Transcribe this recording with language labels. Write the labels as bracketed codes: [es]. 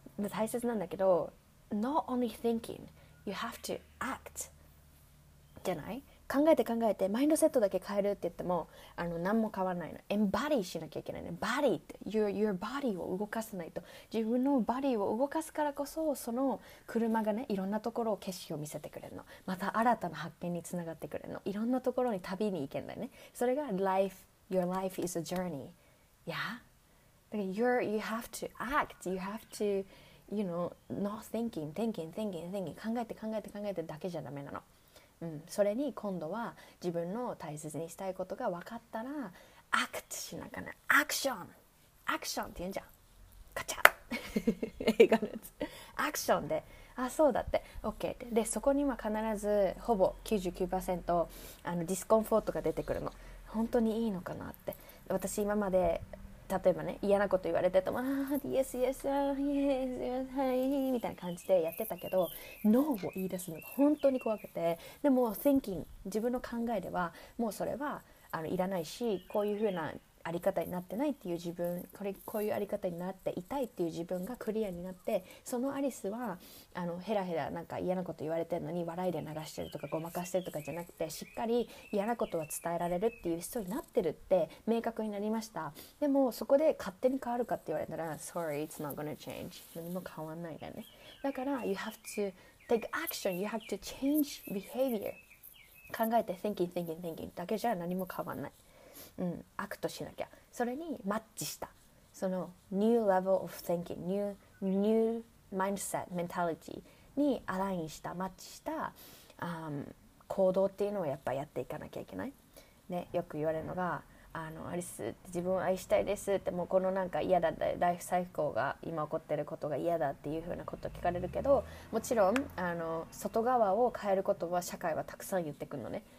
[ja] 大切なんだけど、 [en] not only thinking, you have to act [ja] じゃない、考えて考えてマインドセットだけ変えるって言っても何も変わらないの。エンバディしなきゃいけないね。バディって [en] your body [ja] を動かさないと、自分のバディを動かすからこそその車がね、いろんなところを景色を見せてくれるの、また新たな発見につながってくれるの、いろんなところに旅に行けんだよね。それが [en] life, your life is a journey. Yeah? [ja] だから [en] you have to act, you have to, you know, not thinking, thinking, thinking, thinking, [ja] 考えて考えて考えてだけじゃダメなの。うん、それに今度は自分の大切にしたいことが分かったらアクトしなきゃな、アクション、アクションって言うんじゃん、カチャ映画のやつ、アクションで、あ、そうだって、オッケーって、でそこには必ずほぼ 99% ディスコンフォートが出てくるの。本当にいいのかなって、私今まで例えばね、嫌なこと言われてても、あ、イエスイエス、イエス、はい、みたいな感じでやってたけど、ノーを言い出すのが本当に怖くて、でも thinking、 自分の考えではもうそれはいらないし、こういう風なあり方になってないっていう自分、こういうあり方になっていたいっていう自分がクリアになって、そのアリスはヘラヘラなんか嫌なこと言われてるのに笑いで流してるとかごまかしてるとかじゃなくて、しっかり嫌なことは伝えられるっていう人になってるって明確になりました。でもそこで勝手に変わるかって言われたら [en] Sorry, it's not gonna change. [ja] 何も変わんないだよね。だから [en] You have to take action. You have to change behavior. [ja] 考えて [en] thinking, thinking, thinking [ja] だけじゃ何も変わんない。うん、アクトしなきゃ、それにマッチしたその [en] new level of thinking, new mindset, mentality [ja] にアラインした、マッチした、行動っていうのをやっぱやっていかなきゃいけない、ね、よく言われるのがアリス、自分を愛したいですって、もうこのなんか嫌だったライフサイクルが今起こってることが嫌だっていう風なことを聞かれるけど、もちろん外側を変えることは社会はたくさん言ってくるのね。